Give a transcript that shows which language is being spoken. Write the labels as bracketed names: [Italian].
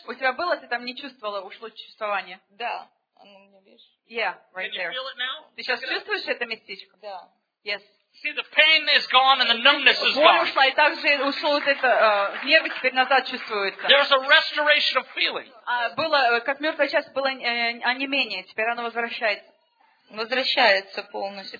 [Russian] У тебя было, ты там не чувствовала, ушло чувствование? Да. [English] Yeah, right there. Can you feel it now? [Russian] Ты сейчас чувствуешь это местечко? Да. [English] Yes. See, the pain is gone and the numbness is gone. [Russian] Боль ушла, и также ушло вот это, нервы теперь назад чувствуются. [English] There's a restoration of feeling. [Russian] Было, как мертвая часть, было онемение, теперь оно возвращается. Возвращается полностью.